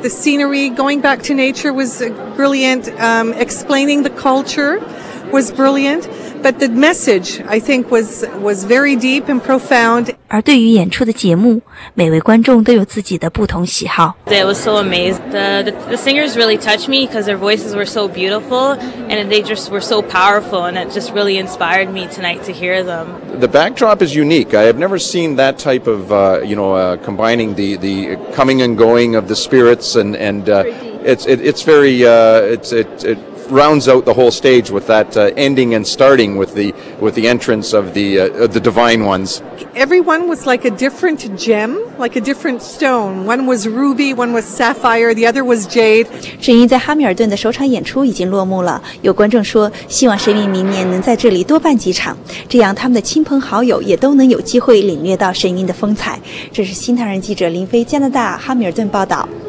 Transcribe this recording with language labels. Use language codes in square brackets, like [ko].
[en] The scenery, going back to nature was brilliant. Explaining the culture was brilliant. But the message, I think, was very deep and profound. [zh] 而对于演出的节目，每位观众都有自己的不同喜好。 [en] It was so amazing. The singers really touched me because their voices were so beautiful and they just were so powerful and it just really inspired me tonight to hear them. The backdrop is unique. I have never seen that type of, combining the coming and going of the spirits and it rounds out the whole stage with that ending and starting with the entrance of the divine ones. Everyone was like a different gem, like a different stone. One was ruby, one was sapphire, the other was jade. [zh] 神韵在哈密尔顿的首场演出已经落幕了。有观众说，希望神韵明年能在这里多办几场，这样他们的亲朋好友也都能有机会领略到神韵的风采。这是新唐人记者林飞，加拿大哈密尔顿报道。